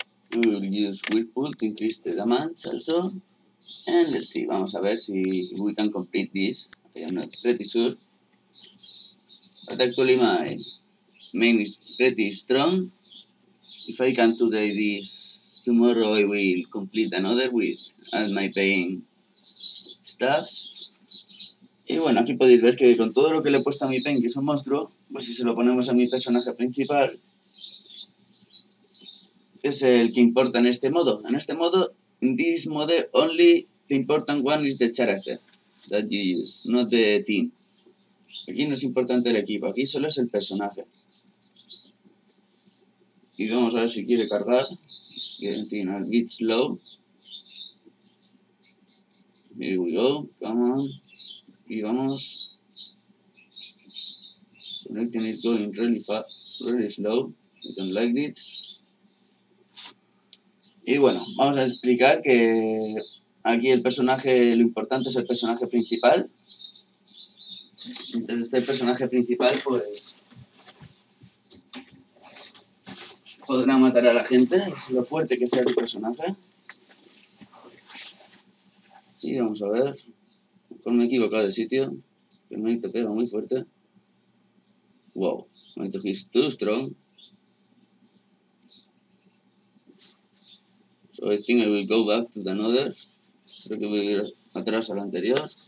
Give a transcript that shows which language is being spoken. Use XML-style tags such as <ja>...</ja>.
<en>We will use Whirlpool to increase the damage also. And let's see,</en> <es>vamos a ver si</es> <en>we can complete this. I am not pretty sure. But actually my main is pretty strong. If I can today this, tomorrow I will complete another with all my pain stuffs.</en> <es>Y bueno, aquí podéis ver que con todo lo que le he puesto a mi pain, que es un monstruo, pues si se lo ponemos a mi personaje principal, es el que importa en este modo. En este modo,</es> <en>in this mode, only the important one is the character that you use, not the team.</en> <es>Aquí no es importante el equipo, aquí solo es el personaje. Y vamos a ver si quiere cargar. Quiere tener el bit slow.</es> <en>Here we go, come on.</en> <es>Aquí vamos.</es> <en>Connecting is going really fast, really slow. I don't like it.</en> <es>Y bueno, vamos a explicar que aquí el personaje, lo importante es el personaje principal. Entonces este personaje principal pues podrá matar a la gente, es lo fuerte que sea el personaje. Y vamos a ver, mejor me he equivocado de sitio, pero me he pega muy fuerte. Wow, me he tocado</es> <en>too strong. So I think I will go back to the another.</en> <es>Creo que voy a ir atrás a la anterior.</es>